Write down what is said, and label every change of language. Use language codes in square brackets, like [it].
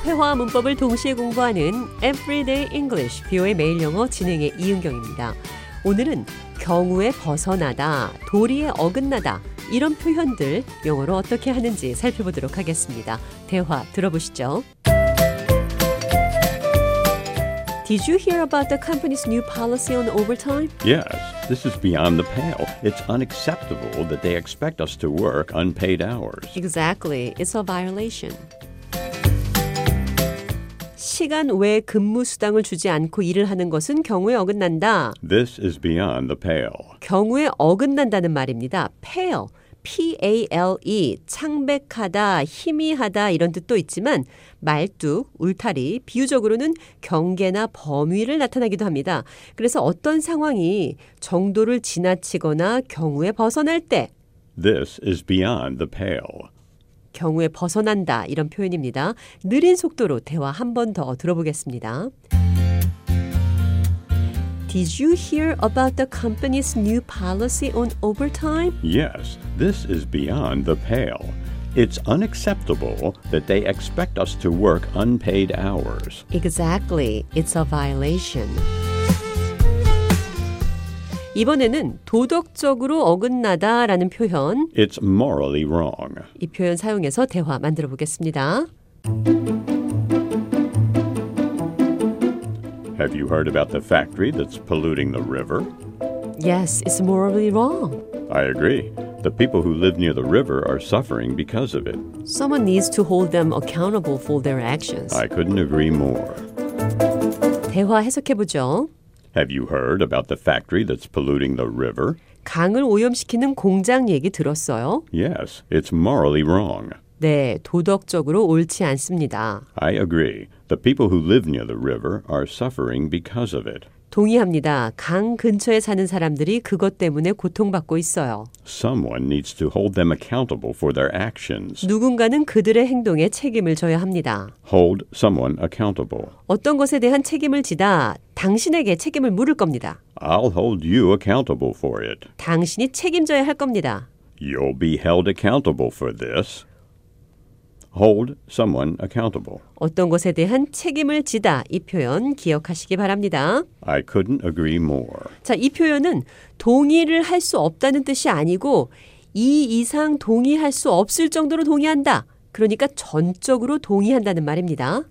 [ko] 회화 문법을 동시에 공부하는 Everyday English, 비오의 매일 영어 진행의 이은경입니다. 오늘은 경우에 벗어나다, 도리에 어긋나다 이런 표현들 영어로 어떻게 하는지 살펴보도록 하겠습니다. 대화 들어보시죠. [en] Did you hear about the company's new policy on overtime? Yes, this is beyond the pale. It's unacceptable that they expect us to work unpaid hours. Exactly, it's a violation. [ko] 시간 외 근무 수당을 주지 않고 일을 하는 것은 경우에 어긋난다. [en] This is beyond the pale. [ko] 경우에 어긋난다는 말입니다. Pale, P-A-L-E, 창백하다, 희미하다 이런 뜻도 있지만 말뚝, 울타리, 비유적으로는 경계나 범위를 나타나기도 합니다. 그래서 어떤 상황이 정도를 지나치거나 경우에 벗어날 때 [en] This is beyond the pale. [ko] 경우에 벗어난다 이런 표현입니다. 느린 속도로 대화 한 번 더 들어보겠습니다. [en] Did you hear about the company's new policy on overtime? Yes, this is beyond the pale. It's unacceptable that they expect us to work unpaid hours. Exactly, it's a violation. [ko] 이번에는 도덕적으로 어긋나다라는 표현 [en] It's morally wrong. [ko] 이 표현 사용해서 대화 만들어 보겠습니다. [en] Have you heard about the factory that's polluting the river? Yes, it's morally wrong. I agree. The people who live near the river are suffering because of it. Someone needs to hold them accountable for their actions. I couldn't agree more. [ko] 대화 해석해 보죠. [en] Have you heard about the factory that's polluting the river? [ko] 강을 오염시키는 공장 얘기 들었어요? [en] Yes, it's morally wrong. [ko] 네, 도덕적으로 옳지 않습니다. [en] I agree. The people who live near the river are suffering because of it. [ko] 동의합니다. 강 근처에 사는 사람들이 그것 때문에 고통받고 있어요. [en] Someone needs to hold them accountable for their actions. [ko] 누군가는 그들의 행동에 책임을 져야 합니다. [en] Hold someone accountable. [ko] 어떤 것에 대한 책임을 지다, 당신에게 책임을 물을 겁니다. [en] I'll hold you accountable for it. [ko] 당신이 책임져야 할 겁니다. [en] You'll be held accountable for this. Hold someone accountable. [ko] 어떤 것에 대한 책임을 지다 이 표현 기억하시기 바랍니다. [en] I couldn't agree more. [ko] 자, 이 표현은 동의를 할 수 없다는 뜻이 아니고 이 이상 동의할 수 없을 정도로 동의한다. 그러니까 전적으로 동의한다는 말입니다.